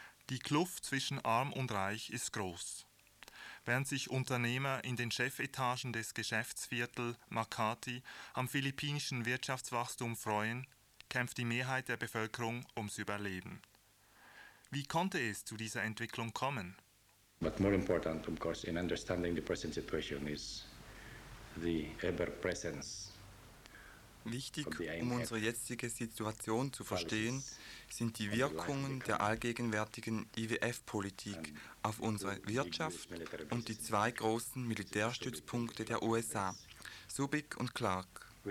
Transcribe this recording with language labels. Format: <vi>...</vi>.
<de>Die Kluft zwischen Arm und Reich ist groß. während sich Unternehmer in den Chefetagen des Geschäftsviertels Makati am philippinischen Wirtschaftswachstum freuen, kämpft die Mehrheit der Bevölkerung ums Überleben. Wie konnte es zu dieser Entwicklung kommen?</de> <en>But more important, of course, in understanding the present situation is the ever presence.</en> <de>Wichtig, um unsere jetzige Situation zu verstehen, sind die Wirkungen der allgegenwärtigen IWF-Politik auf unsere Wirtschaft und die zwei großen Militärstützpunkte der USA, Subic und Clark.</de>